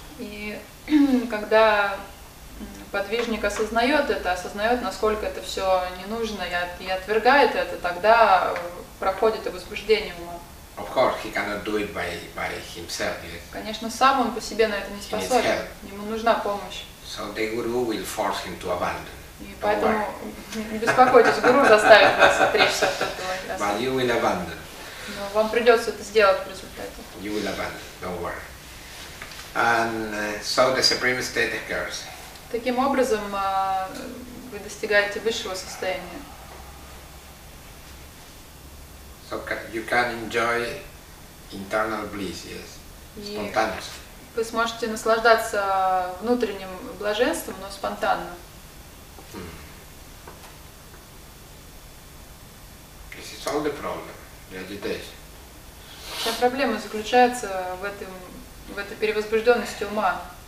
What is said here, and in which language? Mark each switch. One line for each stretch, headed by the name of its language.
Russian: И когда подвижник осознает, насколько это все ненужно, и отвергает это, тогда проходит и возбуждение ума.
English: Of course, he cannot do it by himself. Yes.
Russian: Конечно, сам он по себе на это не способен. Ему нужна помощь.
English: So the guru will force him to abandon.
Russian: И поэтому не беспокойтесь, гуру заставит вас отречься от этого.
English: But you will abandon.
Russian: Но вам придется это сделать в результате.
English: You will abandon, don't worry. And so the supreme state occurs.
Russian: Таким образом, вы достигаете высшего состояния.
English: So you can enjoy internal bliss, yes, spontaneous.
Russian: Вы сможете наслаждаться внутренним блаженством, но спонтанно.
English: This is all the problem. The agitation.
Russian: Вся проблема заключается в этой перевозбужденности ума.